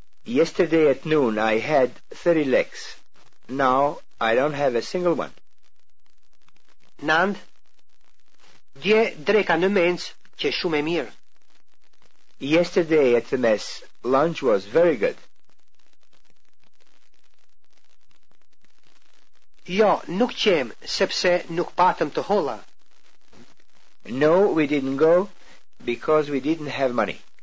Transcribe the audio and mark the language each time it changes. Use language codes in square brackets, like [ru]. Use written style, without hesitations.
[en] Yesterday at noon I had 30 lekës. Now I don't have a single one. [sq] Nand, dje dreka në mencë që shumë e mirë. [en] Yesterday at the mess, lunch was very good. [sq] Jo, nuk qem, sepse nuk patëm të holla. [en] No, we didn't go, because we didn't have money.